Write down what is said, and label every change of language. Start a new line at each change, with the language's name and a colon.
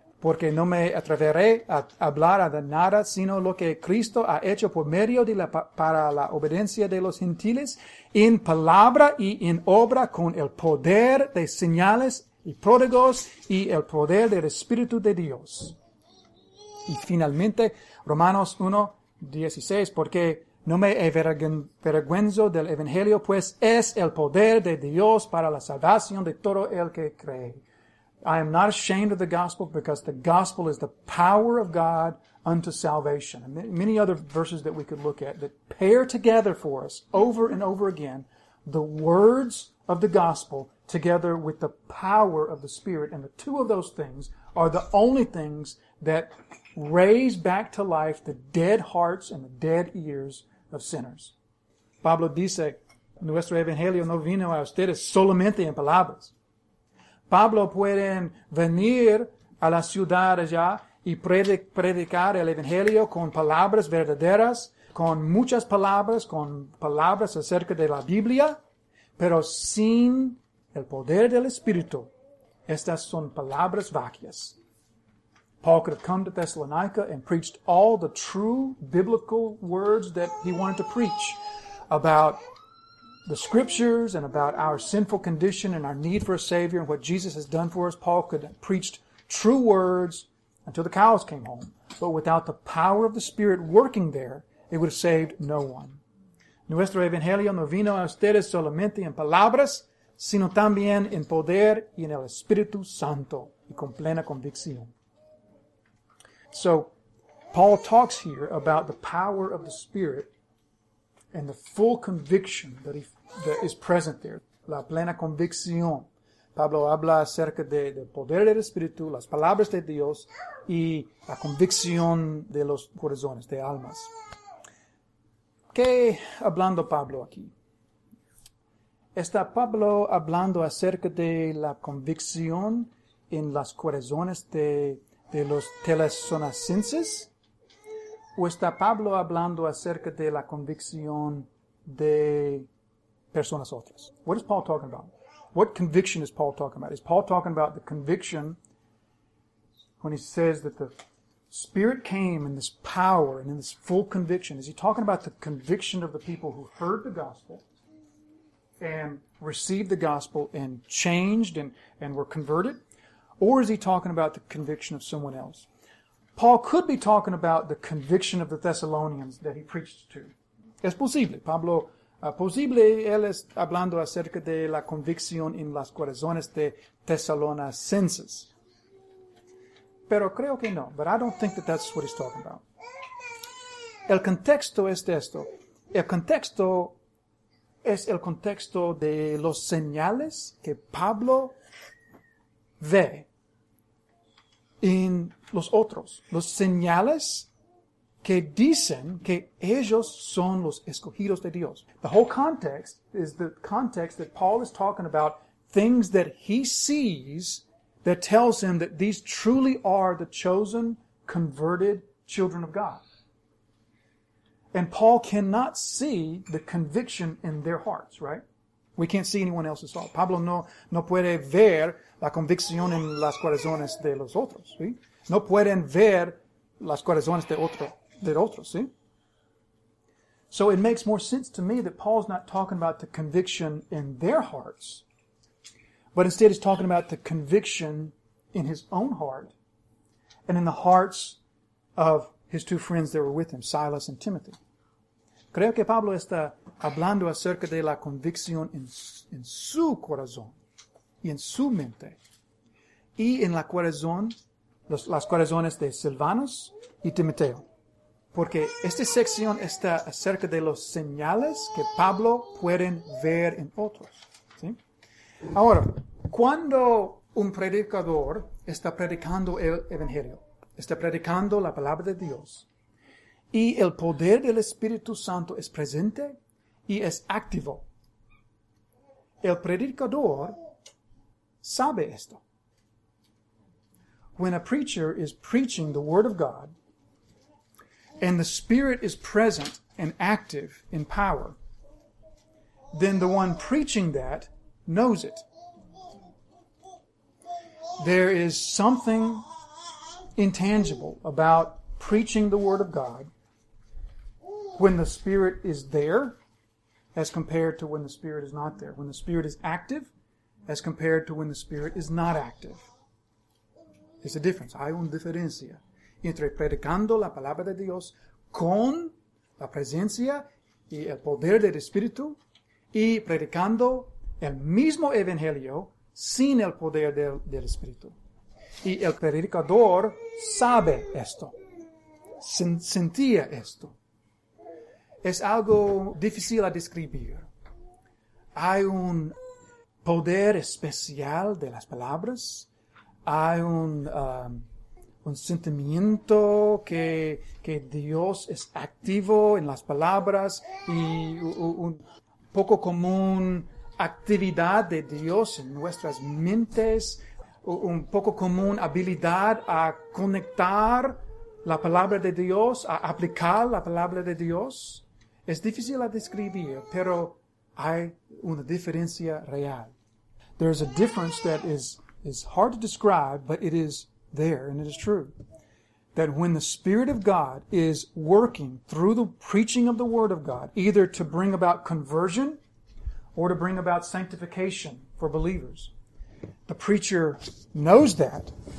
Spanish: porque no me atreveré a hablar de nada sino lo que Cristo ha hecho por medio de la, para la obediencia de los gentiles en palabra y en obra con el poder de señales y prodigios y el poder del Espíritu de Dios. Y finalmente, Romanos 1:16, porque no me avergüenzo del Evangelio, pues es el poder de Dios para la salvación de todo el que cree.
English: I am not ashamed of the gospel because the gospel is the power of God unto salvation. And many other verses that we could look at that pair together for us over and over again the words of the gospel together with the power of the Spirit. And the two of those things are the only things that raise back to life the dead hearts and the dead ears of sinners.
Spanish: Pablo dice, nuestro evangelio no vino a ustedes solamente en palabras. Pablo puede venir a la ciudad allá y predicar el evangelio con palabras verdaderas, con muchas palabras, con palabras acerca de la Biblia, pero sin el poder del Espíritu. Estas son palabras vacías.
English: Paul could have come to Thessalonica and preached all the true biblical words that he wanted to preach about the scriptures and about our sinful condition and our need for a savior and what Jesus has done for us. Paul could have preached true words until the cows came home. But without the power of the Spirit working there, it would have saved no one.
Spanish: Nuestro evangelio no vino a ustedes solamente en palabras, sino también en poder y en el Espíritu Santo y con plena convicción.
English: So, Paul talks here about the power of the Spirit and the full conviction that is present there.
Spanish: La plena convicción. Pablo habla acerca de poder del Espíritu, las palabras de Dios y la convicción de los corazones, de almas. ¿Qué hablando Pablo aquí? Está Pablo hablando acerca de la convicción en los corazones de los telesonacenses, o está Pablo hablando acerca de la convicción de personas otras?
English: What is Paul talking about? What conviction is Paul talking about? Is Paul talking about the conviction when he says that the Spirit came in this power and in this full conviction? Is he talking about the conviction of the people who heard the gospel and received the gospel and changed and were converted? Or is he talking about the conviction of someone else? Paul could be talking about the conviction of the Thessalonians that he preached to.
Spanish: Es posible. Pablo, posible, él es hablando acerca de la convicción en las corazones de Tesalonicenses. Pero creo que no.
English: But I don't think that that's what he's talking about.
Spanish: El contexto es esto. El contexto es el contexto de los señales que Pablo ve en los otros, los señales que dicen que ellos son los escogidos de Dios.
English: The whole context is the context that Paul is talking about, things that he sees that tells him that these truly are the chosen, converted children of God. And Paul cannot see the conviction in their hearts, right? We can't see anyone else's heart.
Spanish: Pablo no puede ver la convicción en las corazones de los otros, ¿sí? No pueden ver las corazones de otros, ¿sí?
English: So it makes more sense to me that Paul's not talking about the conviction in their hearts, but instead he's talking about the conviction in his own heart and in the hearts of his two friends that were with him, Silas and Timothy.
Spanish: Creo que Pablo está hablando acerca de la convicción en su corazón y en su mente, y en la corazón, las corazones de Silvanos y Timoteo. Porque esta sección está acerca de los señales que Pablo pueden ver en otros. ¿Sí? Ahora, cuando un predicador está predicando el Evangelio, está predicando la palabra de Dios, y el poder del Espíritu Santo es presente y es activo, el predicador sabe esto.
English: When a preacher is preaching the Word of God and the Spirit is present and active in power, then the one preaching that knows it. There is something intangible about preaching the Word of God when the Spirit is there as compared to when the Spirit is not there. When the Spirit is active as compared to when the Spirit is not active. It's a difference.
Spanish: Hay una diferencia entre predicando la palabra de Dios con la presencia y el poder del Espíritu y predicando el mismo Evangelio sin el poder del Espíritu. Y el predicador sabe esto, sentía esto. Es algo difícil a describir. Hay un poder especial de las palabras. Hay un sentimiento que Dios es activo en las palabras y un poco común actividad de Dios en nuestras mentes, un poco común habilidad a conectar la palabra de Dios, a aplicar la palabra de Dios. Es difícil a describir, pero hay una diferencia real.
English: There's a difference that is hard to describe, but it is there, and it is true, that when the Spirit of God is working through the preaching of the Word of God, either to bring about conversion or to bring about sanctification for believers, the preacher knows that,